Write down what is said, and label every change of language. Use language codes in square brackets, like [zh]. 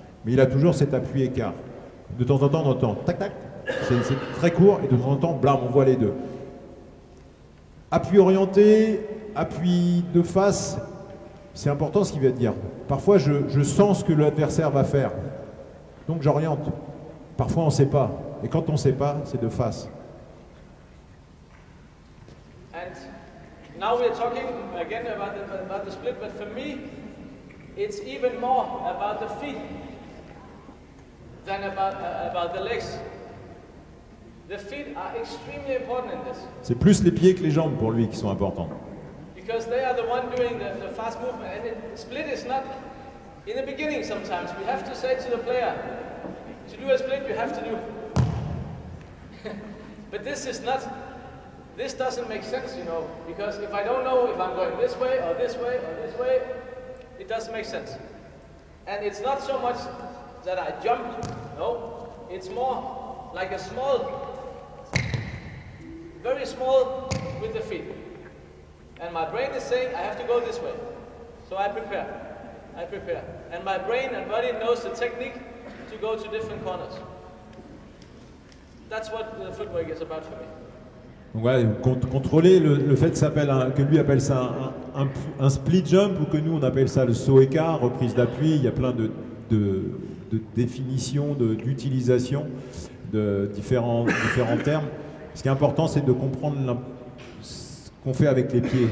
[fr] Mais il a toujours cet appui écart. De temps en temps, on entend tac tac, c'est très court, et de temps en temps, blam, on voit les deux. Appui orienté, appui de face, c'est important ce qu'il vient de dire. Parfois, je sens ce que l'adversaire va faire, donc j'oriente. Parfois, on ne sait pas. Et quand on ne sait pas, c'est de face. [en] And now we're talking again about the split, but for me, it's even more about the feet than about the legs. The feet are extremely important in this. [fr] C'est plus les pieds que les jambes pour lui qui sont importants. [en] Because they are the one doing the fast movement, and the split is not in the beginning. Sometimes we have to say to the player, to do a split, you have to do. But this doesn't make sense, you know, because if I don't know if I'm going this way or this way or this way, it doesn't make sense. And it's not so much that I jump, no, It's more like a small, very small with the feet. And my brain is saying I have to go this way. So I prepare. I prepare. And my brain and body knows the technique to go to different corners. That's what the footwork is about for me. [fr] Donc voilà, contrôler le fait que lui appelle ça un split jump ou que nous on appelle ça le saut écart, reprise d'appui, il y a plein de définitions, d'utilisation de différents termes. Ce qui est important, c'est de comprendre ce qu'on fait avec les pieds.